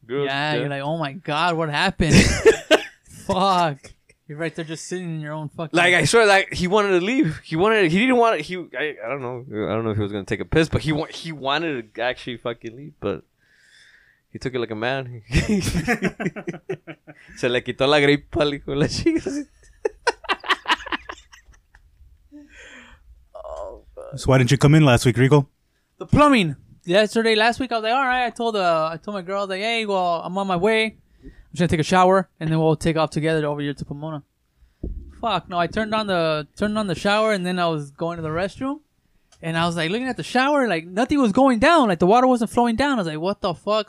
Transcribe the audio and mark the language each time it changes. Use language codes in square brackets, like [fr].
[en] Yeah, you're like, oh my God, what happened? Fuck. You're right there just sitting in your own fucking... Like, I swear, like, he wanted to leave. I don't know if he was going to take a piss, but he wanted to actually fucking leave, but he took it like a man. [es] Se le quitó la gripa, hijo de la chica. [en] So why didn't you come in last week, Rico? The plumbing. Yesterday, last week, I was like, all right, I told my girl, like, hey, well, I'm on my way. I'm just gonna take a shower and then we'll take off together over here to Pomona. Fuck no! I turned on the shower and then I was going to the restroom, and I was like looking at the shower, like nothing was going down, like the water wasn't flowing down. I was like, what the fuck?